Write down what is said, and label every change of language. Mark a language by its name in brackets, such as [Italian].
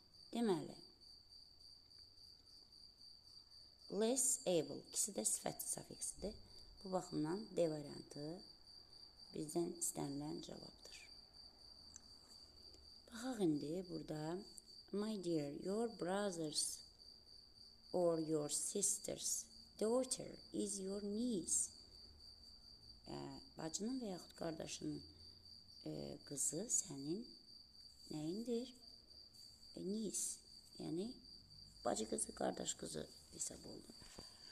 [Azerbaijani] Deməli, less able, ikisi də sifət suffixidir. Bu baxımdan D variantı bizdən istənilən cavabdır. Baxaq indi burada. [English] My dear, your brothers or your sisters daughter is your niece. [Azerbaijani] Bacının və yaxud qardaşının qızı sənin nəyindir? Niece, yəni bacı qızı, qardaş qızı hesab olunur.